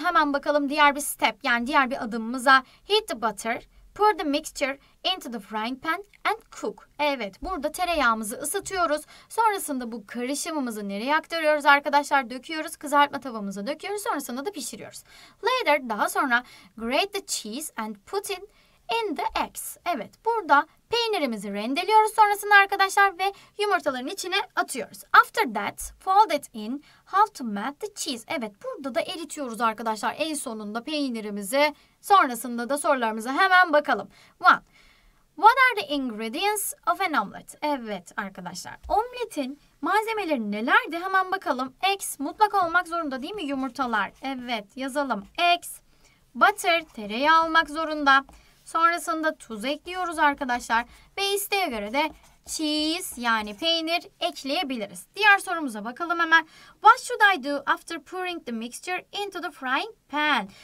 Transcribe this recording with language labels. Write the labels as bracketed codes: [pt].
[tr] Hemen bakalım diğer bir step, yani diğer bir adımımıza. [en] Heat the butter. Pour the mixture into the frying pan and cook. [tr] Evet, burada tereyağımızı ısıtıyoruz. Sonrasında bu karışımımızı nereye aktarıyoruz arkadaşlar? Döküyoruz, kızartma tavamıza döküyoruz. Sonrasında da pişiriyoruz. [en] Later, [tr] daha sonra [en] grate the cheese and put in the eggs. [tr] Evet, burada peynirimizi rendeliyoruz sonrasında arkadaşlar ve yumurtaların içine atıyoruz. [en] After that, fold it in half to melt the cheese. [tr] Evet, burada da eritiyoruz arkadaşlar en sonunda peynirimizi. Sonrasında da sorularımıza hemen bakalım. [en] One, what are the ingredients of an omelet? [tr] Evet arkadaşlar, omletin malzemeleri nelerdi hemen bakalım. Eggs mutlak olmak zorunda değil mi, yumurtalar? Evet, yazalım. Eggs, butter, tereyağı olmak zorunda. Sonrasında tuz ekliyoruz arkadaşlar ve isteğe göre de cheese, yani peynir ekleyebiliriz. Diğer sorumuza bakalım hemen. [en] What should I do after pouring the mixture into the frying pan?